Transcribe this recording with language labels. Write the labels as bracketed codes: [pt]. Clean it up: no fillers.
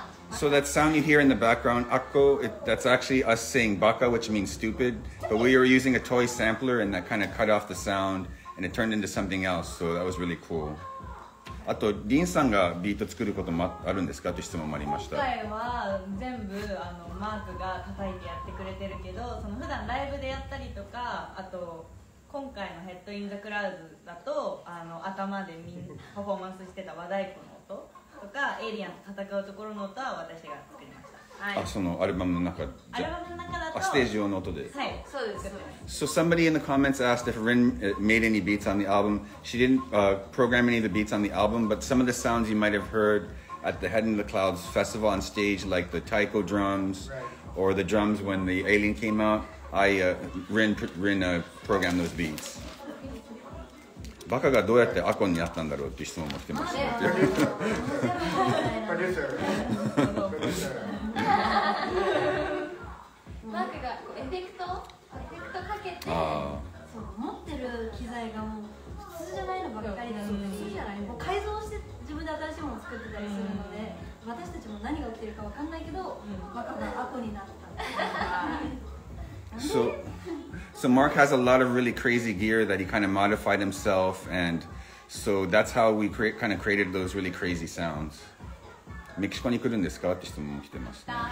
[en] So that sound you hear in the background, Akko, that's actually us saying baka, which means stupid. But we were using a toy sampler and that kind of cut off the sound and it turned into something else. So that was really cool. [ja] あと、リンさんがビート作ることもあるんですかという質問もありました。今回は全部あのマークが叩いてやってくれてるけど、その普段ライブでやったりとか、あと今回のヘッドインザクラウズだとあの頭でみんパフォーマンスしてた和太鼓の音とかエイリアンと戦うところの音は私が作りました、はい、あそのアルバムの中アルバムの中だとステージ用の音で、はい、そうです。 [en] So somebody in the comments asked if Rin made any beats on the album. She didn't program any of the beats on the album, but some of the sounds you might have heard at the Head in the Clouds festival on stage, like the taiko drums、 right. or the drums when the alien came outRin programmed those beats. [ja] バカがどうやってアコンにあったんだろうって質問も来てましたね。プロデューサー。バカがエフェクトかけて、そう持ってる機材がもう普通じゃないのばっかりなので、普通じゃない。もう改造して自分で新しいものを作ってたりするので、私たちも何が起きてるかわかんないけど、バカがアコンになった。 [en] So Mark has a lot of really crazy gear that he kind of modified himself, and so that's how we kind of created those really crazy sounds. [ja] メキシコに来るんですかって質問も来てます、ね、